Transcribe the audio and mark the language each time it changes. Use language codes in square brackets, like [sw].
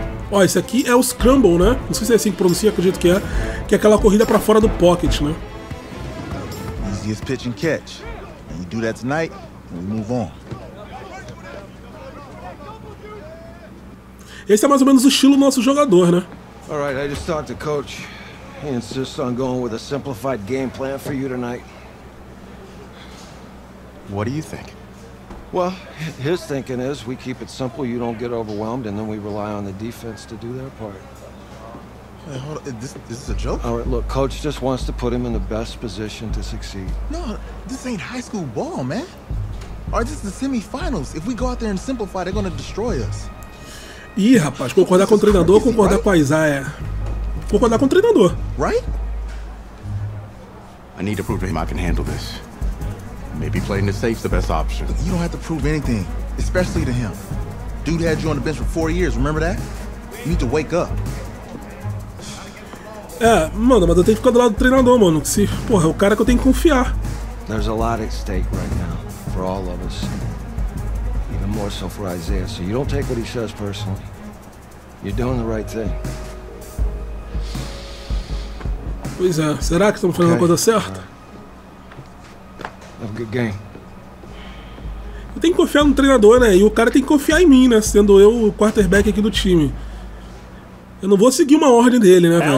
[pt] Ó, esse aqui é o scramble, né? Não sei se é assim que pronuncia, acredito que é. Que é aquela corrida pra fora do pocket, né? [en] Easiest pitch and catch. You do that tonight, we move on. Esse é mais ou menos o estilo do nosso jogador, né? All right, I just talked to coach. He insists on going with a simplified game plan for you tonight. What do you think? Well, his thinking is we keep it simple, you don't get overwhelmed, and then we rely on the defense to do their part. Hey, hold on. This is a joke? All right, look, coach just wants to put him in the best position to succeed. No, this ain't high school ball, man. All right, this is the semifinals. If we go out there and simplify, they're going to destroy us. [pt] Ih, rapaz, concordar com o treinador ou concordar com a Isaiah? Concordar com o treinador. [en] Right? I need to prove to him I can handle this. Maybe playing the safe's the best option. You don't have to prove anything, especially to him. Dude had you on the bench for 4 years, remember that? You need to wake up. [pt] É, mano, mas eu tenho que ficar do lado do treinador, mano. Que se, porra, é o cara que eu tenho que confiar. [en] There's a lot at stake right now for all of us. More so for Isaiah, so you don't take what he says personally. You're doing the right thing. [pt] Pois é, será que estamos fazendo a coisa certa? [en] Have a good game. [pt] Eu tenho que confiar no treinador, né? E o cara tem que confiar em mim, né? Sendo eu o quarterback aqui do time. Eu não vou seguir uma ordem dele, né, velho?